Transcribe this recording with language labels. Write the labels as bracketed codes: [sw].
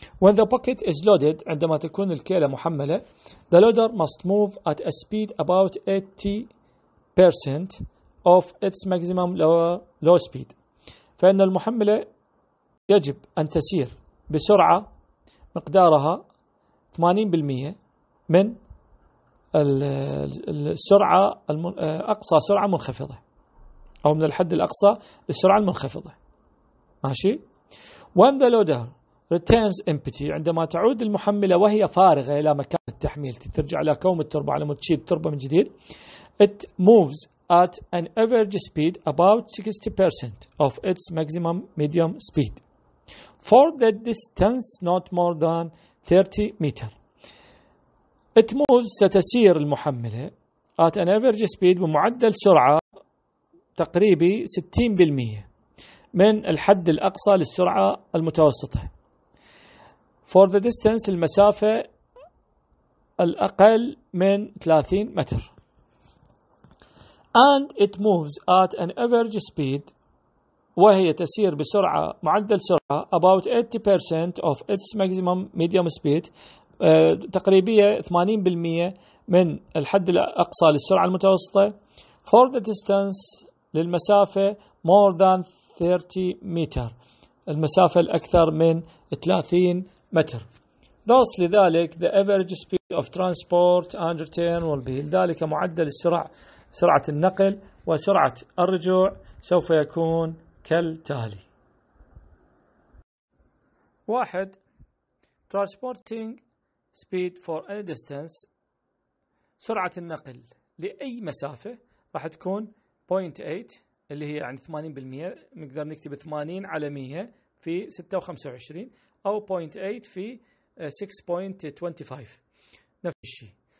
[en] When the bucket is loaded، [ar] عندما تكون الكيلة محملة، [en] the loader must move at a speed about 80% of its maximum low speed، [ar] فإن المحملة يجب أن تسير بسرعة مقدارها 80% من السرعة أقصى سرعة منخفضة أو من الحد الأقصى للسرعة المنخفضة ماشي. [en] When the loader returns empty، [ar] عندما تعود المحملة وهي فارغة إلى مكان التحميل، ترجع إلى كوم التربة على متشيل التربة من جديد، [en] it moves at an average speed about 60% of its maximum medium speed for the distance not more than 30 meters. It moves، [ar] ستسير المحملة [en] at an average speed [ar] بمعدل سرعة تقريبي 60% من الحد الأقصى للسرعة المتوسطة [en] for the distance، [ar] المسافة الأقل من 30 متر. [en] And it moves at an average speed، [ar] وهي تسير بسرعة معدل سرعة [en] about 80% of its maximum medium speed، [ar] تقريبية 80% من الحد الأقصى للسرعة المتوسطة [en] for the distance، [ar] للمسافة [en] more than 30 meters، [ar] المسافة الأكثر من 30 متر. [en] Thus [ar] لذلك [en] the average speed of transport and return will be، [ar] لذلك معدل السرعة سرعة النقل وسرعة الرجوع سوف يكون كالتالي. واحد، [en] transporting speed for any distance، [ar] سرعة النقل لأي مسافة راح تكون 0.8 اللي هي يعني 80%، نقدر نكتب 80/100 في 6.25 أو 0.8 في 6.25 نفس الشيء.